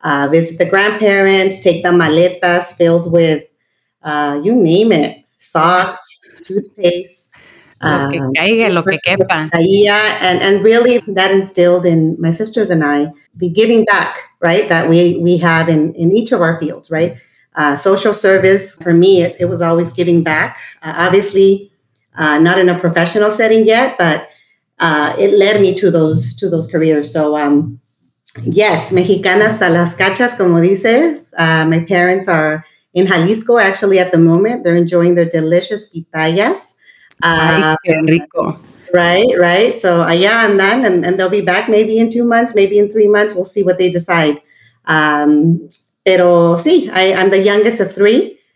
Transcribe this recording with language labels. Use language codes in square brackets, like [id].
[en] Visit the grandparents, take the maletas filled with, you name it, socks, toothpaste, and really that instilled in my sisters and I the giving back, right, that we have in each of our fields, right? Social service, for me, it was always giving back. Obviously, not in a professional setting yet, but it led me to those careers. So, yes, [es] Mexicana hasta las cachas, como dices. [en] My parents are in Jalisco, actually, at the moment. They're enjoying their delicious pitayas. [es] Ay, qué rico. [en] Right. So [es] allá andan, [en] and they'll be back maybe in 2 months, maybe in 3 months. We'll see what they decide. [es] Pero sí, [en] I'm the youngest of three.